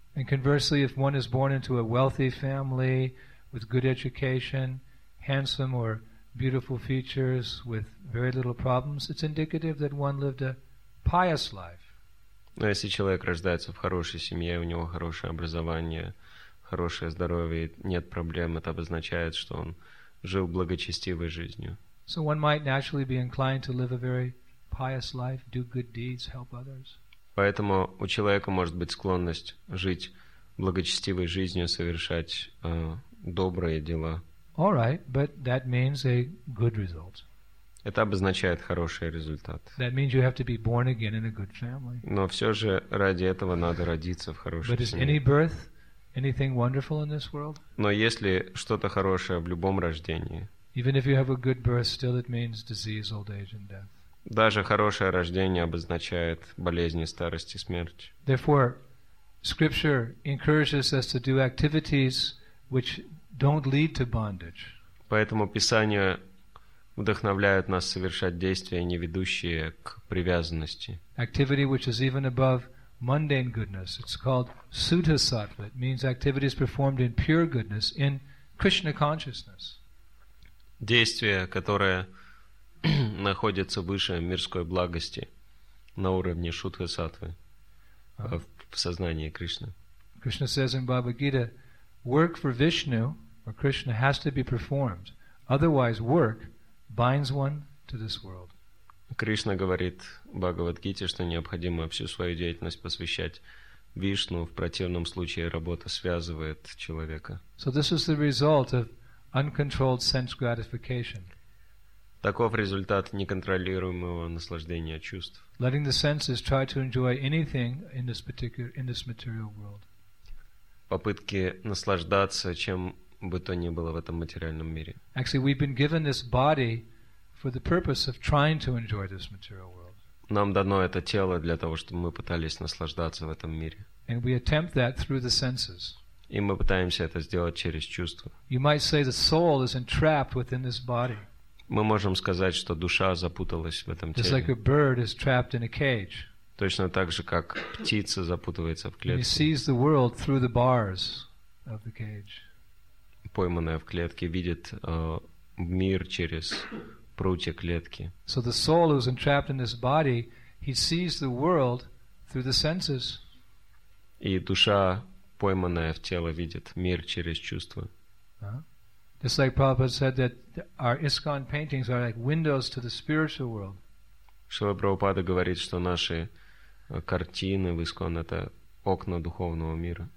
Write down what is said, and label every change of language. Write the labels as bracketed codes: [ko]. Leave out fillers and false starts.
[en] And conversely, if one is born into a wealthy family with good education, handsome or beautiful features with very little problems, it's indicative that one lived a pious life. [ru] Но если человек рождается в хорошей семье, у него хорошее образование, хорошее здоровье, нет проблем, это обозначает, что он жил благочестивой жизнью. [en] So one might naturally be inclined to live a very pious life, do good deeds, help others. [ru] Поэтому у человека может быть склонность жить благочестивой жизнью, совершать добрые дела. [en] All right, but that means a good result. [ru] Это обозначает хороший результат. [en] That means you have to be born again in a good family. [ru] Но все же ради этого надо родиться в хорошей семье. [en] But is any birth anything wonderful in this world? [ru] Но есть ли что-то хорошее в любом рождении? [en] Even if you have a good birth, still it means disease, old age, and death. [ru] Даже хорошее рождение обозначает болезни, старость и смерть. [en] Therefore, scripture encourages us to do activities which don't lead to bondage. [ru] Поэтому Писание вдохновляют нас совершать действия, не ведущие к привязанности. [en] Activity which is even above mundane goodness. It's called sutta-sattva. It means activities performed in pure goodness, in Krishna consciousness. [ru] Действия, которые находятся выше мирской благости, на уровне шутха-сатвы, в сознании Кришны. [en] Krishna says in Bhagavad Gita, work for Vishnu or Krishna has to be performed. Otherwise, work binds one to this world. [ru] Кришна говорит в Бхагавад-гите, что необходимо всю свою деятельность посвящать Вишну, в противном случае работа связывает человека. [en] So this is the result of uncontrolled sense gratification. [ru] Таков результат неконтролируемого наслаждения чувств. [en] Letting the senses try to enjoy anything in this particular, in this material world. [ru] Попытки наслаждаться чем бы то ни было в этом материальном мире. [en] Actually, we've been given this body for the purpose of trying to enjoy this material world. [ru] Нам дано это тело для того, чтобы мы пытались наслаждаться в этом мире. [en] And we attempt that through the senses. [ru] И мы пытаемся это сделать через чувства. [en] You might say the soul is entrapped within this body. [ru] Мы можем сказать, что душа запуталась в этом теле. [en] Just like a bird is trapped in a cage. [ru] Точно так же, как птица запутывается в клетке. [en] And he sees the world through the bars of the cage. [ru] Пойманная в клетке, видит мир через прутья клетки. [en] So the soul who is entrapped in this body, he sees the world through the senses. [ru] И душа, пойманная в тело, видит мир через чувства. [en] Just like Prabhupada said that our ISKCON paintings are like windows to the spiritual world. [ru] Шрила Прабхупада говорит, что наши картины в ИСККОН — это окна духовного мира.